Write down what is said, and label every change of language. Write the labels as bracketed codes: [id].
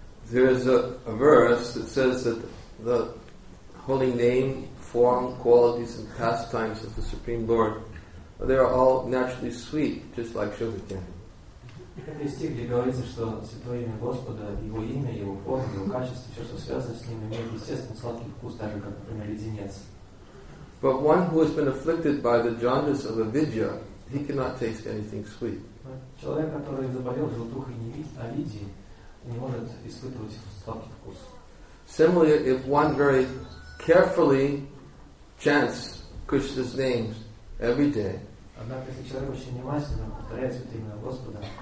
[en] There is a verse that says that the holy name, form, qualities, and pastimes of the Supreme Lord, they are all naturally sweet, just like sugar candy. [ru] Это стих, где говорится, что святое имя Господа, его имя, его форма, его качество, все, что связано с ним, имеет естественный сладкий вкус, даже как, например, леденец. [en] But one who has been afflicted by the jaundice of avidya, he cannot taste anything sweet. [ru] Человек, который заболел желтухой авидьи, не может испытывать сладкий вкус. [en] Similarly, if one very carefully chants Krishna's names every day, [ru] однако, если человек очень внимательно повторяет святое имя Господа,